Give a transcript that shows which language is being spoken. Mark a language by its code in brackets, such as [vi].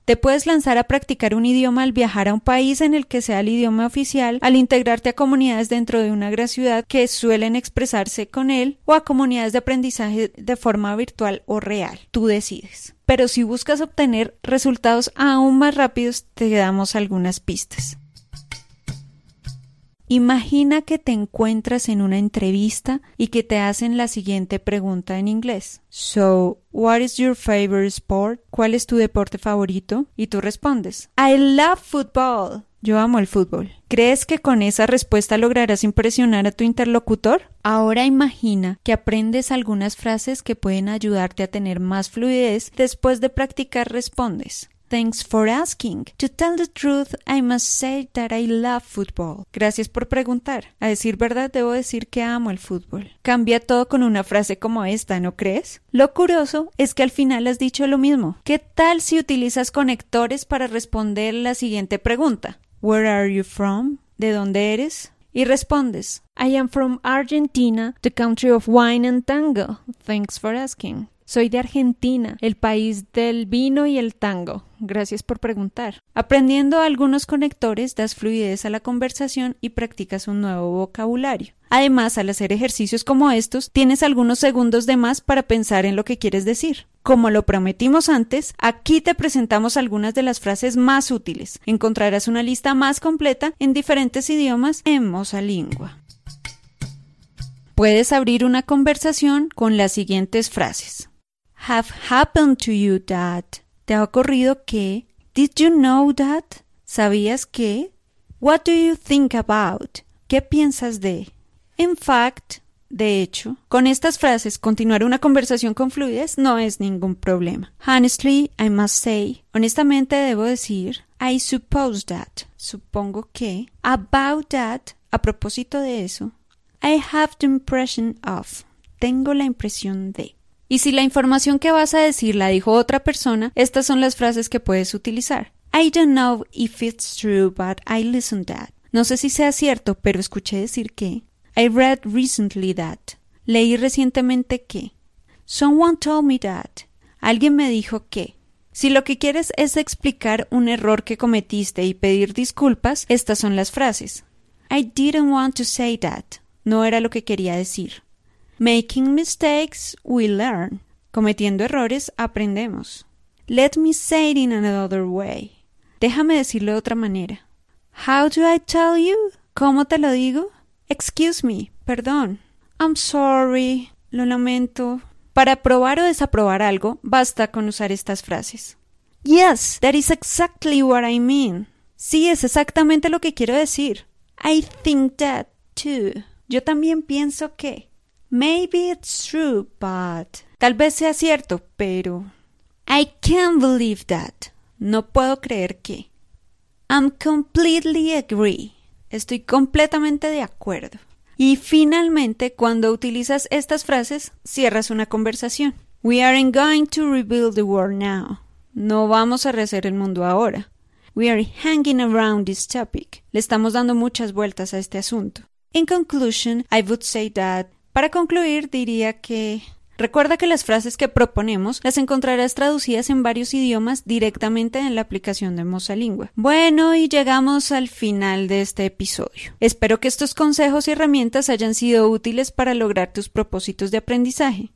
[es] Te puedes lanzar a practicar un idioma al viajar a un país en el que sea el idioma oficial, al integrarte a comunidades dentro de una gran ciudad que suelen expresarse con él, o a comunidades de aprendizaje de forma virtual o real. Tú decides. Pero si buscas obtener resultados aún más rápidos, te damos algunas pistas. Imagina que te encuentras en una entrevista y que te hacen la siguiente pregunta en inglés. [en] So, what is your favorite sport? [es] ¿Cuál es tu deporte favorito? Y tú respondes, [en] I love football. [es] Yo amo el fútbol. ¿Crees que con esa respuesta lograrás impresionar a tu interlocutor? Ahora imagina que aprendes algunas frases que pueden ayudarte a tener más fluidez. Después de practicar, respondes, [en] Thanks for asking. To tell the truth, I must say that I love football. [es] Gracias por preguntar. A decir verdad, debo decir que amo el fútbol. Cambia todo con una frase como esta, ¿no crees? Lo curioso es que al final has dicho lo mismo. ¿Qué tal si utilizas conectores para responder la siguiente pregunta? [en] Where are you from? [es] ¿De dónde eres? Y respondes, [en] I am from Argentina, the country of wine and tango. Thanks for asking. [es] Soy de Argentina, el país del vino y el tango. Gracias por preguntar. Aprendiendo algunos conectores, das fluidez a la conversación y practicas un nuevo vocabulario. Además, al hacer ejercicios como estos, tienes algunos segundos de más para pensar en lo que quieres decir. Como lo prometimos antes, aquí te presentamos algunas de las frases más útiles. Encontrarás una lista más completa en diferentes idiomas en MozaLingua. Puedes abrir una conversación con las siguientes frases. [en] Have happened to you that. [es] ¿Te ha ocurrido que? [en] Did you know that? [es] ¿Sabías que? [en] What do you think about? [es] ¿Qué piensas de? [en] In fact, [es] de hecho, con estas frases, continuar una conversación con fluidez no es ningún problema. [en] Honestly, I must say. [es] Honestamente, debo decir. [en] I suppose that. [es] Supongo que. [en] About that. [es] A propósito de eso. [en] I have the impression of. [es] Tengo la impresión de. Y si la información que vas a decir la dijo otra persona, estas son las frases que puedes utilizar. [en] I don't know if it's true, but I listened that. [es] No sé si sea cierto, pero escuché decir que. [en] I read recently that. [es] Leí recientemente que. [en] Someone told me that. [es] Alguien me dijo que. Si lo que quieres es explicar un error que cometiste y pedir disculpas, estas son las frases. [en] I didn't want to say that. [es] No era lo que quería decir. [en] Making mistakes, we learn. [es] Cometiendo errores, aprendemos. [en] Let me say it in another way. [es] Déjame decirlo de otra manera. [en] How do I tell you? [es] ¿Cómo te lo digo? [en] Excuse me, perdón. I'm sorry, [es] lo lamento. Para probar o desaprobar algo, basta con usar estas frases. [en] Yes, that is exactly what I mean. [es] Sí, es exactamente lo que quiero decir. [en] I think that too. [es] Yo también pienso que. [en] Maybe it's true, but... [es] Tal vez sea cierto, pero... [en] I can't believe that. [es] No puedo creer que. [en] I'm completely agree. [es] Estoy completamente de acuerdo. Y finalmente, cuando utilizas estas frases, cierras una conversación. [en] We aren't going to rebuild the world now. [es] No vamos a rehacer el mundo ahora. [en] We are hanging around this topic. [es] Le estamos dando muchas vueltas a este asunto. [en] In conclusion, I would say that... [es] Para concluir, diría que... Recuerda que las frases que proponemos las encontrarás traducidas en varios idiomas directamente en la aplicación de MozaLingua. Bueno, y llegamos al final de este episodio. Espero que estos consejos y herramientas hayan sido útiles para lograr tus propósitos de aprendizaje.